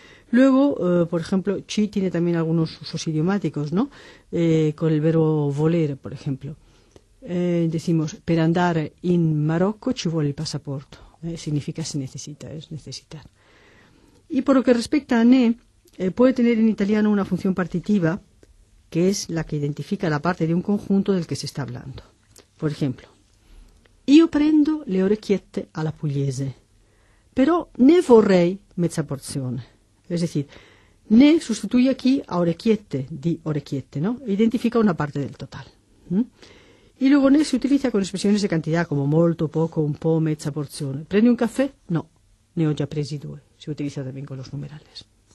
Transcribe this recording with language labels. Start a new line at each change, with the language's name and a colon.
Spanish: Luego, por ejemplo, ci tiene también algunos usos idiomáticos, ¿no? Con el verbo voler, por ejemplo. Decimos,
Italian: per andare in Marocco ci vuole il passaporto.
Spanish: Significa se necesita, es necesitar. Y por lo que respecta a ne, puede tener en italiano una función partitiva, que es la que identifica la parte de un conjunto del que se está hablando. Por ejemplo,
Italian: io prendo le orecchiette alla pugliese, però ne vorrei mezza porzione.
Spanish: Es decir, ne sustituye aquí a orecchiette, di orecchiette, ¿no? Identifica una parte del total. Y luego ne se utiliza con expresiones de cantidad, como molto, poco, un po', mezza porzione.
Italian: ¿Prende un café? No, ne ho già presi due.
Spanish: Se utiliza también con los numerales.